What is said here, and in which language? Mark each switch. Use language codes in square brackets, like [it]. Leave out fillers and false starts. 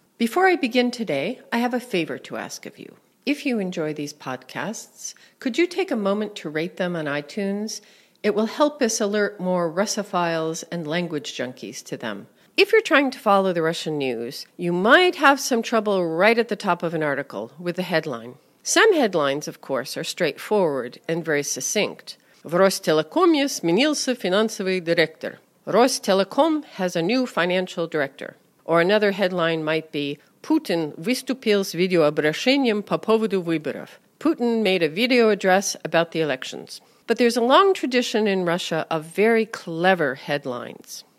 [en] Before I begin today, I have a favor to ask of you. If you enjoy these podcasts, could you take a moment to rate them on iTunes? It will help us alert more Russophiles and language junkies to them. If you're trying to follow the Russian news, you might have some trouble right at the top of an article with the headline. Some headlines, of course, are straightforward and very succinct. [ru] Rostelecomia сменился финансовый директор. [en] Ростелеком has a new financial director. Or another headline might be Putin [ru] выступил с видеообращением по поводу выборов. [en] Putin made a video address about the elections. But there's a long tradition in Russia of very clever headlines.